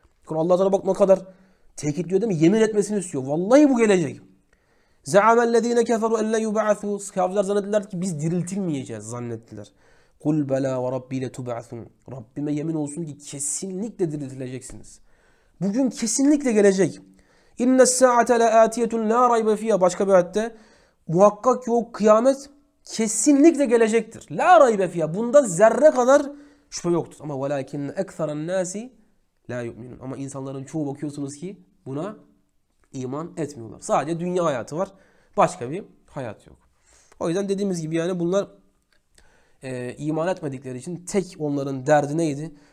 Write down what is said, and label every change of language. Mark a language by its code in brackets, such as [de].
[tr] Allah-u Teala bak ne kadar tekitliyor değil mi? Yemin etmesini istiyor. Vallahi bu gelecek. [ar] زَعَمَ الَّذ۪ينَ كَفَرُوا اَلَّا يُبَعَثُوا [tr] Kafirler zannettiler ki biz diriltilmeyeceğiz zannettiler. [ar] قُلْ بَلَا وَرَبِّي لَتُبَعَثُونَ [tr] Rabbime yemin olsun ki kesinlikle diriltileceksiniz. Bugün kesinlikle gelecek. [ar] اِنَّ السَّاعَةَ لَاٰتِيَةٌ لَا رَيْبَ فِيهَا [tr] Başka bir ayette. Muhakkak ki o kıyamet kesinlikle gelecektir. [ar] لَا رَيْبَ فِيهَا [tr] Bunda zerre kadar şüphe yoktur. Ama [ar] وَلَاكِنَّ اَكْثَرَ النَّاسِ لَا يُؤْمِنُونَ [tr] Ama insanların çoğu bakıyorsunuz ki buna iman etmiyorlar. Sadece dünya hayatı var. Başka bir hayat yok. O yüzden dediğimiz gibi yani bunlar iman etmedikleri için tek onların derdi neydi?